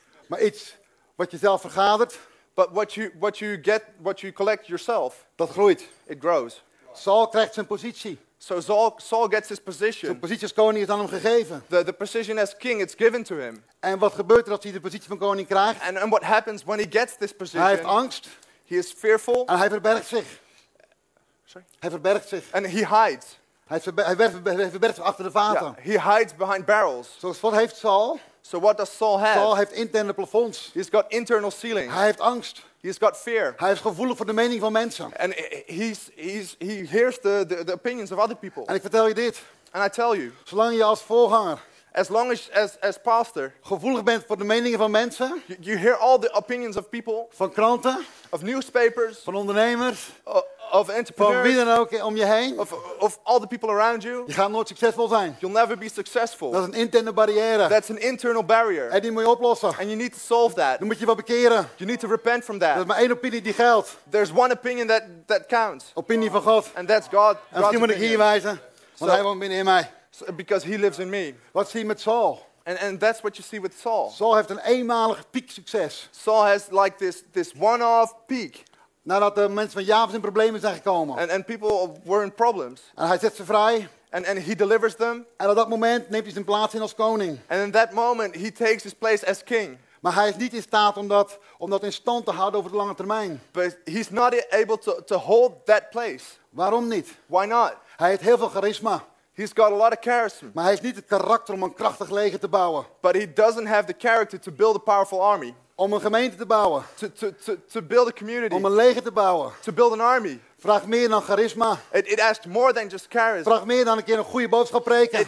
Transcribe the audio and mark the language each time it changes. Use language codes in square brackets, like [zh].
[nl] Maar iets wat je zelf vergadert, [en] but what you get, what you collect yourself, [nl] dat groeit. [en] It grows. [nl] Saul krijgt zijn positie. [en] So Saul gets his position. [nl] Zijn positie als koning is aan hem gegeven. [en] The position as king, it's given to him. [nl] En wat gebeurt er als hij de positie van koning krijgt? [en] And what happens when he gets this position? [nl] Hij heeft angst. [en] He is fearful. [nl] En hij verbergt zich. [en] Sorry. [nl] Hij verbergt zich. [en] And he hides. [nl] Hij verbergt achter de vaten. [en] Yeah, he hides behind barrels. [nl] Zoals wat heeft Saul? [en] So what does Saul have? [nl] Saul heeft interne plafonds. [en] He's got internal ceilings. [nl] Hij heeft angst. [en] He's got fear. [nl] Hij is gevoelig voor de mening van mensen. [en] And he hears the opinions of other people. [nl] En ik vertel je dit. [en] And I tell you. [nl] Zolang je als voorganger, [en] as long as pastor, [nl] gevoelig bent voor de meningen van mensen, [en] you hear all the opinions of people, [nl] van kranten, [en] of newspapers, [nl] van ondernemers, [en] of entrepreneurs, [nl] van wie dan ook om je heen, [en] of all the people around you, [nl] je gaat nooit succesvol zijn. [en] You'll never be successful. [nl] Dat is een interne barrière. [en] That's an internal barrier. [nl] En die moet je oplossen. [en] And you need to solve that. [nl] Dan moet je wat bekeren. [en] You need to repent from that. [nl] Er is maar één opinie die geldt. [en] There's one opinion that counts. [nl] Opinie van God. [en] And that's God. [nl] En misschien moet ik hier wijzen, want hij woont binnen in mij. [en] So, because he lives in me. [nl] Wat zie je met Saul? [en] And that's what you see with Saul. [nl] Saul heeft een eenmalig piek succes. [en] Saul has like this one-off peak. [nl] Nadat de mensen van Jabes in problemen zijn gekomen. [en] And people were in problems. [nl] En hij zet ze vrij. [en] And he delivers them. [nl] En op dat moment neemt hij zijn plaats in als koning. [en] And in that moment he takes his place as king. [nl] Maar hij is niet in staat om dat in stand te houden over de lange termijn. [en] But he's not able to hold that place. [nl] Waarom niet? [en] Why not? [nl] Hij heeft heel veel charisma. [en] He's got a lot of charisma. [nl] Maar hij heeft niet het karakter om een krachtig leger te bouwen. [en] But he doesn't have the character to build a powerful army. [nl] Om een gemeente te bouwen. [en] To build a community. [nl] Om een leger te bouwen. [en] To build an army. [nl] Vraag meer dan charisma. [en] It asks more than just charisma. [nl] Vraag meer dan een keer een goede boodschap preken.